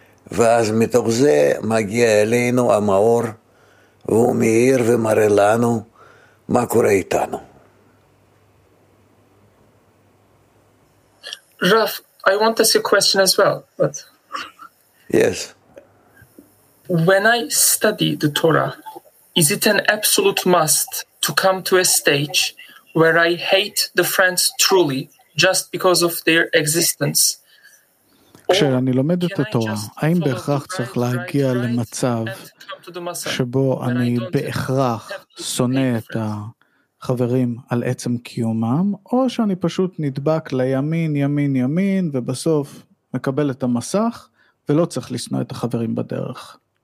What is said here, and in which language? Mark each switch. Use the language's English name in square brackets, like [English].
[Hebrew] ואז מתוך זה מגיע אלינו המאור, והוא מאיר ומראה לנו מה קורה איתנו. [English] Raf, I want to ask a question as well. But... Yes. When I study the Torah, is it an absolute must to come to a stage where I hate the friends truly just because of their existence? [Hebrew] כשאני לומד את התורה, האם בהכרח צריך להגיע למצב שבו אני בהכרח שונא את החברים על עצם קיומם, או שאני פשוט נדבק לימין, ימין, ימין, ובסוף מקבל את המסך, ולא צריך לשנוא את החברים בדרך?